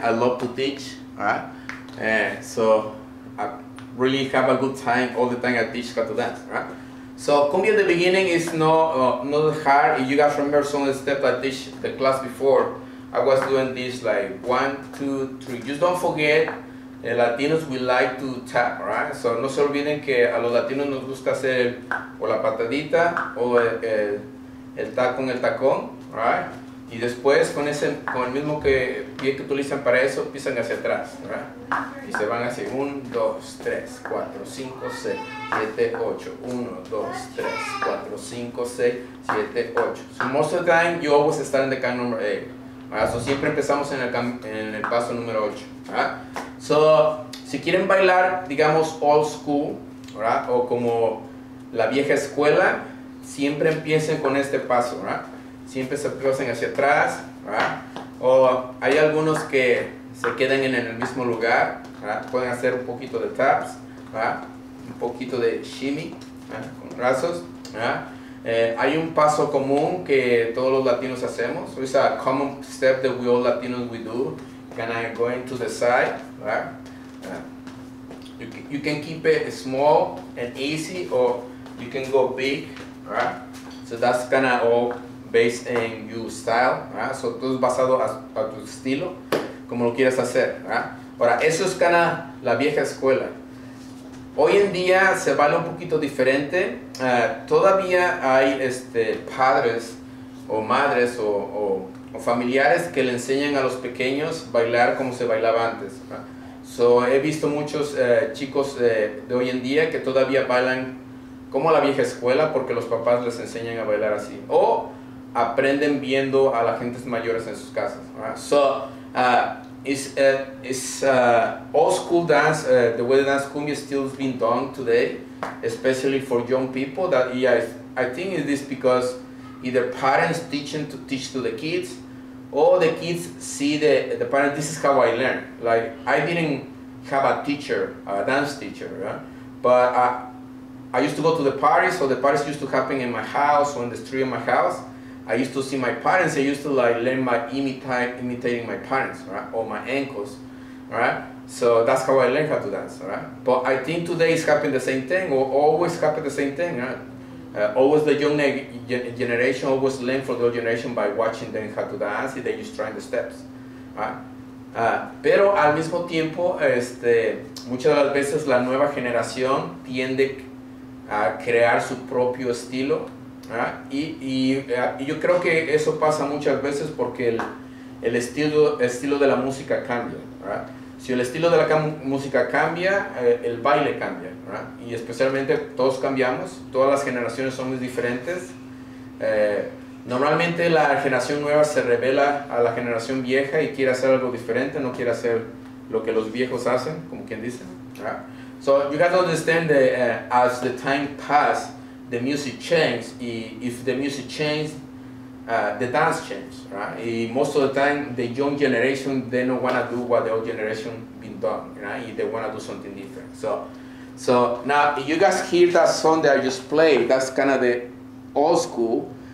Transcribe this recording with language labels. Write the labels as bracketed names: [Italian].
[English] I love to teach, right? And so I really have a good time all the time I teach how to dance, right? So cumbia at the beginning is not hard. If you guys remember some of the steps I teach the class before, I was doing this like 1, 2, 3. Just don't forget, Latinos, we like to tap, right? [Spanish] So no se olviden que a los latinos nos gusta hacer o la patadita o el tap con el tacón, right? Y después con el mismo que pie que utilizan para eso, pisan hacia atrás, right? Y se van así, 1, 2, 3, 4, 5, 6, 7, 8. 1, 2, 3, 4, 5, 6, 7, 8. [English] So most of the time, you always start in the count number 8. [Spanish] So siempre empezamos en el paso número 8, right? So, si quieren bailar, digamos, old school, right? O como la vieja escuela, siempre empiecen con este paso, right? Siempre se empiecen hacia atrás, right? O hay algunos que se quedan en el mismo lugar, right? Pueden hacer un poquito de taps, right? Un poquito de shimmy, right? Con brazos, right? Hay un paso común que todos los latinos hacemos. [English] So it's a common step that we all Latinos we do. Kind of going to the side, right? You can keep it small and easy, or you can go big, right? So that's kind of all based in your style, right? [Spanish] So todo es basado a tu estilo, como lo quieras hacer, right? Ahora, eso es [English] kind of [Spanish] la vieja escuela. Hoy en día se baila un poquito diferente. Todavía hay padres o madres o familiares que le enseñan a los pequeños bailar como se bailaba antes, ¿verdad? So he visto muchos chicos de hoy en día que todavía bailan como la vieja escuela porque los papás les enseñan a bailar así. O aprenden viendo a las gentes mayores en sus casas. [English] Right? So is old school dance, the way they dance cumbia still is being done today, especially for young people. That I think it is because either parents teach to the kids, or the kids see the parents. This is how I learned. Like I didn't have a teacher, a dance teacher, right? But I used to go to the parties, so the parties used to happen in my house or in the street of my house. I used to see my parents. I used to like learn by imitating my parents, right? Or my uncles, right? So that's how I learned how to dance, right? But I think today is happening the same thing, or always happen the same thing, right? Always the young generation always learn from the old generation by watching them how to dance, and they just trying the steps, right? [Spanish] Pero al mismo tiempo, muchas de las veces la nueva generación tiende a crear su propio estilo, y yo creo que eso pasa muchas veces porque el estilo de la música cambia, right? Si el estilo de la música cambia, el baile cambia, ¿verdad? Y especialmente todos cambiamos, todas las generaciones son muy diferentes. Normalmente la generación nueva se revela a la generación vieja y quiere hacer algo diferente, no quiere hacer lo que los viejos hacen, como quien dice, ¿verdad? [English] So you have to understand that as the time pass, the music changes, and if the music changes, the dance change, right? And most of the time, the young generation, they don't want to do what the old generation been done, right? And they want to do something different. So now, you guys hear that song that I just played, that's kind of the old school.